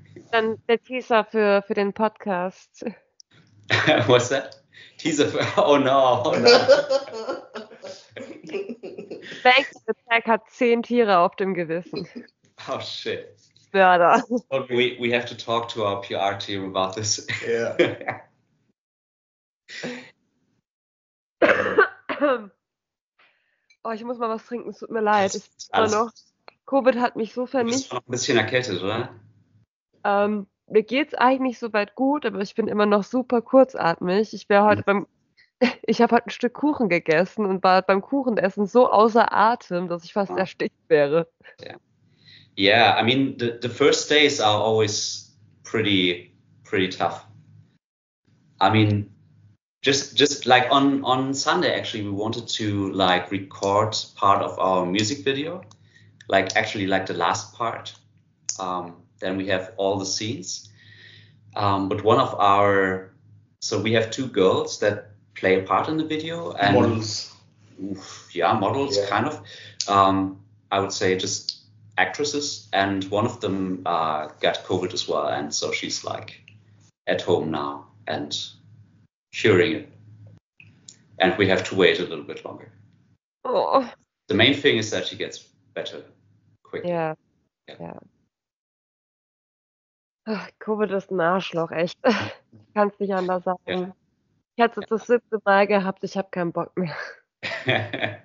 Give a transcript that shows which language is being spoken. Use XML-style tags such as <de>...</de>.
<de>Dann der Teaser für den Podcast.</de> <en>What's that? Teaser for... Oh no.</en> <de>Bank Attack hat 10 Tiere auf dem Gewissen.</de> <en>Oh shit.</en> <de>Mörder.</de> <en>We have to talk to our PR team about this. Yeah.</en> <de>Oh, ich muss mal was trinken, es tut mir leid. Covid hat mich so vernichtet. Du bist ein bisschen erkältet, oder? Mir geht's eigentlich soweit gut, aber ich bin immer noch super kurzatmig. Ich habe heute ein Stück Kuchen gegessen und war beim Kuchenessen so außer Atem, dass ich fast erstickt wäre.</de> <en>Yeah, I mean, the first days are always pretty tough. I mean, just like on Sunday, actually, we wanted to like record part of our music video, like actually like the last part. Then we have all the scenes. But one of our, so we have two girls that play a part in the video. And models. Models. Kind of. I would say just actresses. And one of them got COVID as well. And so she's like at home now and curing it. And we have to wait a little bit longer. Oh. The main thing is that she gets better quickly.</en> <de>COVID ist ein Arschloch, echt. Ich kann es nicht anders sagen. Ich hatte es das siebte Mal gehabt, ich habe keinen Bock mehr.</de>